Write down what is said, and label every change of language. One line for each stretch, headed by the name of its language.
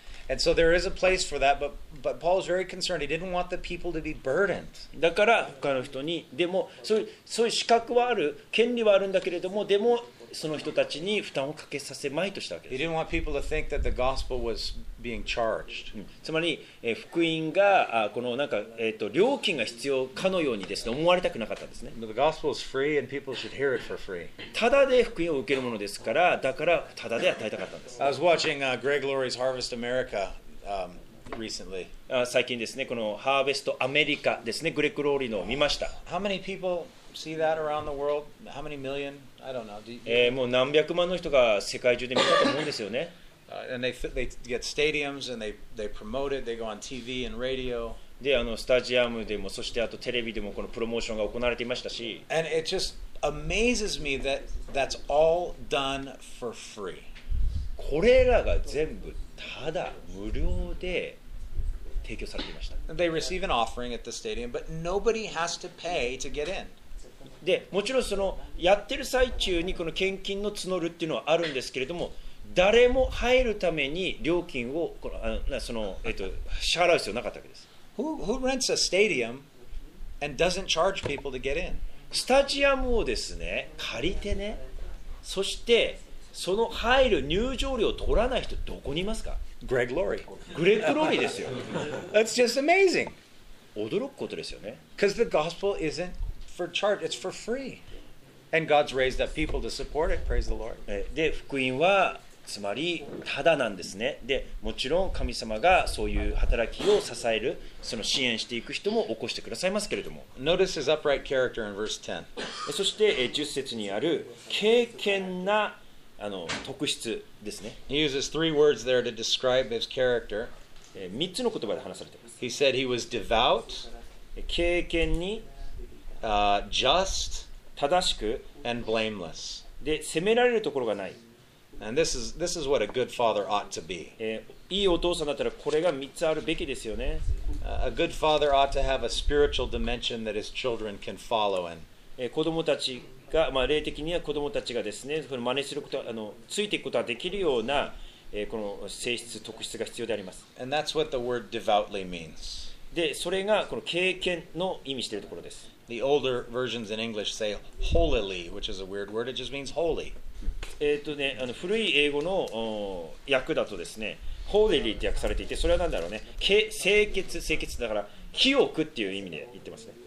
English: And so there is a place for that, but Paul is very concerned. He didn't want the people to be burdened.
Japanese: だから他の人にでもそういう資格はある、権利はあるんだけれども、でもその人たちに負担をかけさせまいとしたわけです。
English: He didn't want people to think that the gospel was being charged.、
Japanese: うん、つまり、福音がこのなんか、料金が必要かのようにですね、思われたくなかったんですね。
English: But the gospel is free and people should hear it for free.
Japanese: ただで福音を受けるものですから、だからただで与えたかったんです。
English: I was watching Greg Laurie's Harvest America recently.
Japanese: 最近ですね、このハーベストアメリカですね、グレッグ・ローリーのを見ました。
English: How many people see that around the world? How many million? I don't know.
Japanese: もう何百万の人が世界中で見たと思うんですよね。
English: And they get stadiums and they promote it. They go on TV and radio.
Japanese: で、スタジアムでも、そしてあとテレビでもこのプロモーションが行われていましたし。
English: And it just amazes me that that's all done for free.
Japanese: これらが全部ただ無料で提供されていました。
English: They receive an offering at the stadium, but nobody has to pay to get in.
Japanese: で、もちろんそのやってる最中にこの献金の募るっていうのはあるんですけれども、誰も入るために料金をこのあのその、支払う必要なかったわけです。
English: Who rents a stadium and doesn't charge people to get in?
Japanese: スタジアムをですね、借りてね、そしてその入る入場料を取らない人どこにいますか？
English: Greg Laurie.
Japanese: Greg Laurie ですよ。
English: That's just amazing.
Japanese: 驚くことですよね。
English: Because the gospel isn't for charge, it's for free. And God's raised up people to support it, praise the Lord.
Japanese: で、福音はつまりただなんですね。で、もちろん神様がそういう働きを支える、その支援していく人も起こしてくださいますけれども。
English: Notice his upright character in verse 10.
Japanese: そして10節にある敬虔なあの特質ですね。
English: He uses three words there to describe his character.
Japanese: 3つの言葉で話されています。
English: He said he was devout,
Japanese: 敬虔に、
English: just,
Japanese: 正しく、
English: and blameless.
Japanese: で、責められるところがない。
English: And this is what a good father ought to be.
Japanese: いいお父さんだったらこれが3つあるべきですよね。
English: A good father ought to have a spiritual dimension that his children can follow in.
Japanese: 子供たちがまあ、霊的には子供たちがですね、その真似することあのついていくことができるような、この性質特質が必要であります。
English: And that's what the word devoutly means.
Japanese: で、それがこの敬虔の意味しているところです。
English: The older versions in English say holily, which is a weird word. It just means holy.
Japanese: あの古い英語の訳だとですね、holily って訳されていて、それはなんだろうね、清潔だから清くっていう意味で言ってますね。